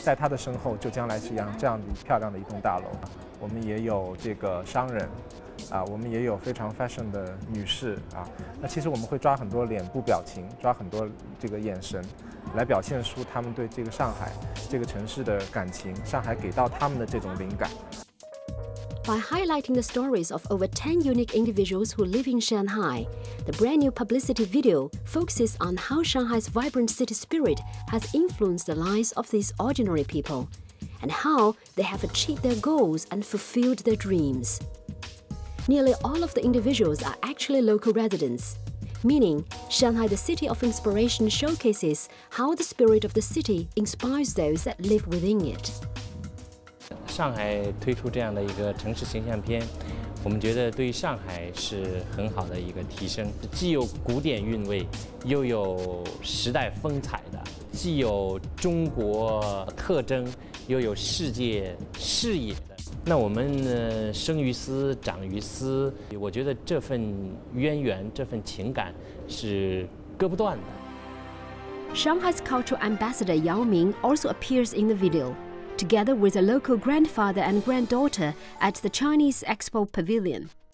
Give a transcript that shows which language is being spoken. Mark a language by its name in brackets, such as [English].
[Chinese] 在他的身后，就将来是一样这样的漂亮的一栋大楼。我们也有这个商人，啊，我们也有非常 fashion 的女士啊。那其实我们会抓很多脸部表情，抓很多这个眼神，来表现出他们对这个上海这个城市的感情，上海给到他们的这种灵感。 [English] By highlighting the stories of over 10 unique individuals who live in Shanghai, the brand new publicity video focuses on how Shanghai's vibrant city spirit has influenced the lives of these ordinary people, and how they have achieved their goals and fulfilled their dreams. Nearly all of the individuals are actually local residents, meaning Shanghai, the city of inspiration, showcases how the spirit of the city inspires those that live within it. [Chinese] 上海推出这样的一个城市形象片，我们觉得对于上海是很好的一个提升，既有古典韵味，又有时代风采的，既有中国特征，又有世界视野的。那我们生于斯，长于斯，我觉得这份渊源，这份情感是割不断的。 [English] Shanghai's cultural ambassador Yao Ming also appears in the video. Together with a local grandfather and granddaughter at the Chinese Expo Pavilion.